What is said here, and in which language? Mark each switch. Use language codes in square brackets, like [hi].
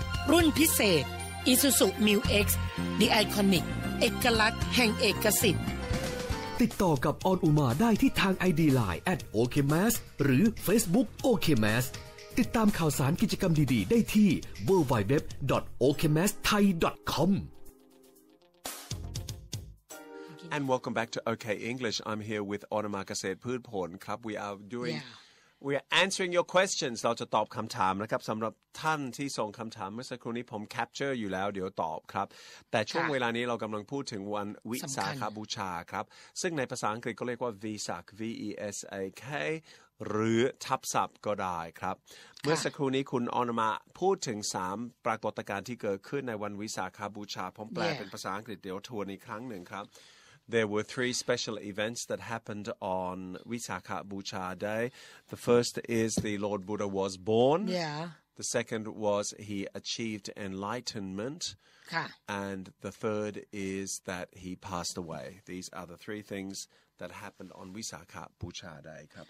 [th] รุ่นพิเศษ Isuzu Mil X The Iconic เอกลักษณ์แห่งเอกสิทธิ์ติดต่อกับออนอุมาได้ที่ทาง ID Line @okmas หรือ Facebook okmas ติดตามข่าวสารกิจกรรมดีๆได้ที่ www.okmasthai.com [en] And welcome back to OK English. I'm here with Onuma Kaseet Pudporn. Club, we are doing We are answering your questions. [th] เราจะตอบคำถามนะครับสำหรับท่านที่ส่งคำถามเมื่อสักครู่นี้ผม capture อยู่แล้วเดี๋ยวตอบครับแต่ช่วงเวลานี้เรากำลังพูดถึงวันวิสาขบูชาครับซึ่งในภาษาอังกฤษก็เรียกว่า Vesak V-E-S-A-K หรือทับศัพท์ก็ได้ครับเมื่อสักครู่นี้คุณออนมาพูดถึง3ปรากฏการณ์ที่เกิดขึ้นในวันวิสาขบูชาผมแปลเป็นภาษาอังกฤษเดี๋ยวทวนอีกครั้งหนึ่งครับ [en] There were three special events that happened on Visakha Bucha Day. The first is the Lord Buddha was born. Yeah. The second was he achieved enlightenment. Okay. And the third is that he passed away. These are the three things that happened on Visakha Bucha Day.